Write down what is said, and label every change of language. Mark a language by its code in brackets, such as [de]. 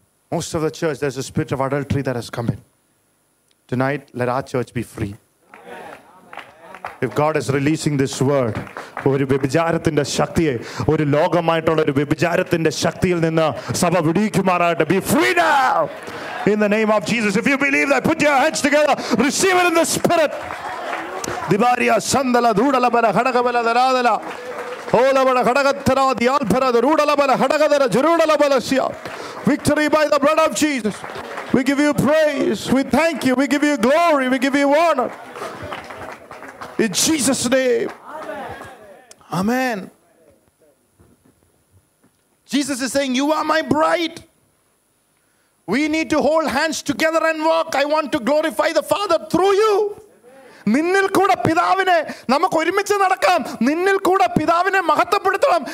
[en] Most of the church, there's a spirit of adultery that has come in. Tonight, let our church be free. If God is releasing this word, [ml] ഒരു വ്യഭിചാരത്തിന്റെ ശക്തിയെ, ഒരു ലോകമായിട്ടുള്ള ഒരു വ്യഭിചാരത്തിന്റെ ശക്തിയിൽ നിന്ന് സഭ വിടിയിക്കുമാറാകട്ടെ. [en] Be free now in the name of Jesus. If you believe that, put your hands together, receive it in the spirit. ദിവാരിയ സന്തല ദൂടല ബല ഹടക ബല ദരാദല ഓലബല ഹടകത്തരാദി ആൽഫര ദൂടല ബല ഹടകതര ജരൂടല ബലസ്യ. Victory by the blood of Jesus. We give you praise, we thank you, we give you glory, we give you honor in Jesus' name. Amen. Jesus is saying, you are my bride. We need to hold hands together and walk. I want to glorify the Father through you. [ml] നിന്നിൽ കൂടെ പിതാവിനെ നമുക്ക് ഒരുമിച്ച് നടക്കാം. നിന്നിൽ കൂടെ പിതാവിനെ മഹത്വപ്പെടുത്തണം.